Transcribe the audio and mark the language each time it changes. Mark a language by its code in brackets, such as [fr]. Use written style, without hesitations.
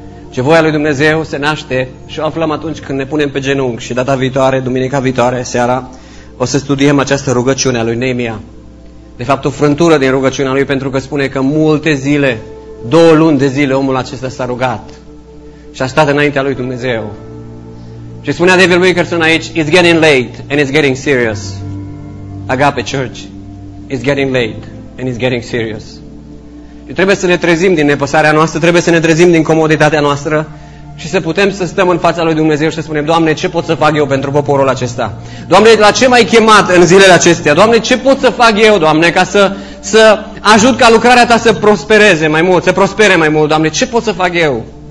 [ro] Ce voia lui Dumnezeu se naște și o aflăm atunci când ne punem pe genunchi. Și data viitoare, duminica viitoare, seara, o să studiem această rugăciune a lui Neemia. De fapt, o frântură din rugăciunea lui, pentru că spune că multe zile, 2 luni de zile, omul acesta s-a rugat și a stat înaintea lui Dumnezeu. Și spunea [en] David Wilkerson [ro] aici, [en] it's getting late and it's getting serious. Agape Church, it's getting late and it's getting serious. [ro] Și trebuie să ne trezim din nepăsarea noastră, trebuie să ne trezim din comoditatea noastră și să putem să stăm în fața lui Dumnezeu și să spunem, Doamne, ce pot să fac eu pentru poporul acesta? Doamne, la ce m-ai chemat în zilele acestea? Doamne, ce pot să fac eu, Doamne, ca să ajut ca lucrarea Ta să prospereze mai mult, să prospere mai mult, Doamne, ce pot să fac eu?